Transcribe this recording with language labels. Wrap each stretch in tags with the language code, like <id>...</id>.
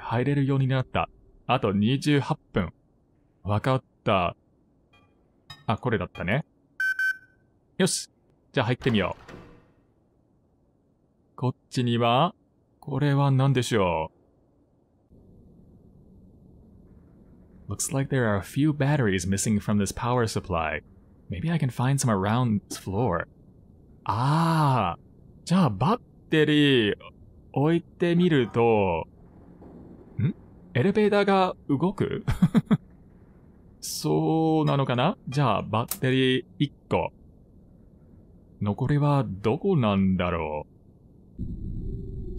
<ja>入れるようになった。あと28分。わかった。これだったね。よし。じゃあ入ってみよう。こっちには、これは何でしょう。</ja> <en>Looks like there are a few batteries missing from this power supply. Maybe I can find some around this floor.</en> <ja>じゃあバッテリー。置いてみると、エレベーターが動く？そうなのかな？じゃあバッテリー1個。残りはどこなんだろう？</ja>